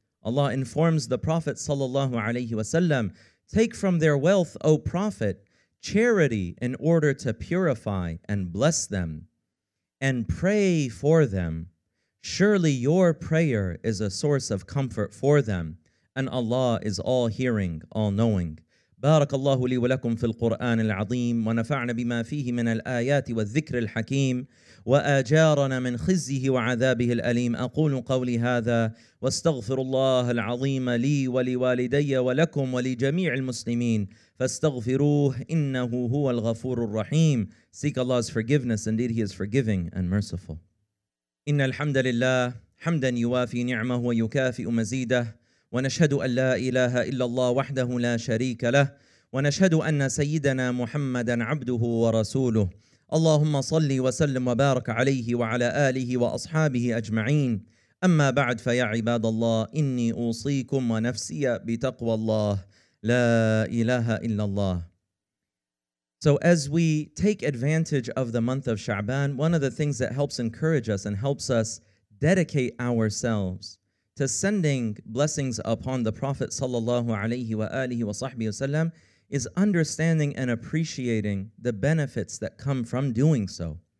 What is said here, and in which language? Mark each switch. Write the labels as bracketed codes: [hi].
[en] Allah informs the Prophet sallallahu alayhi wa sallam, take from their wealth, O Prophet, charity in order to purify and bless them, and pray for them. Surely your prayer is a source of comfort for them, and Allah is all-hearing, all-knowing. [ar] بارك الله لي ولكم في القرآن العظيم ونفعنا بما فيه من الآيات والذكر الحكيم وأجارنا من خزيه وعذابه الأليم. أقول قولي هذا واستغفر الله العظيم لي ولوالدي ولكم ولجميع المسلمين فاستغفروه إنه هو الغفور الرحيم. [en] Seek Allah's forgiveness, indeed He is forgiving and merciful. [ar] إن الحمد لله حمدا يوافي نعمه ويكافئ مزيده ونشهد أن لا إله إلا الله وحده لا شريك له ونشهد أن سيدنا محمدًا عبده ورسوله. اللهم صل وسلم وبارك عليه وعلى آله وأصحابه أجمعين. أما بعد فيا عباد الله إني أوصيكم ونفسي بتقوى الله لا إله إلا الله. [en] So as we take advantage of the month of Sha'ban, one of the things that helps encourage us and helps us dedicate ourselves to sending blessings upon the Prophet sallallahu alayhi wa alihi wa sahbihi wasallam is understanding and appreciating the benefits that come from doing so.